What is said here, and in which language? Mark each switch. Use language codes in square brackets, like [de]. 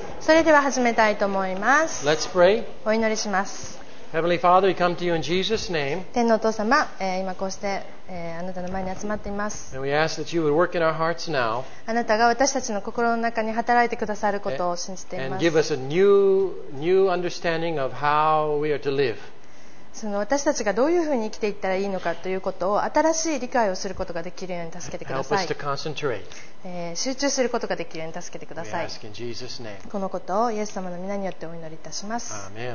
[ja] それでは始めたいと思います。 [en] Let's pray. [ja] お祈りします。 [en] Heavenly Father, we come to you in Jesus' name. [ja] 天のお父様、今こうして、あなたの前に集まっています。 [en] And we ask that you would work in our hearts now. [ja] あなたが私たちの心の中に働いてくださることを信じています。 [en] And give us a new understanding of how we are to live. [ja] その私たちがどういうふうに生きていったらいいのかということを新しい理解をすることができるように助けてください。集中することができるように助けてください。このことをイエス様の皆によってお祈りいたします。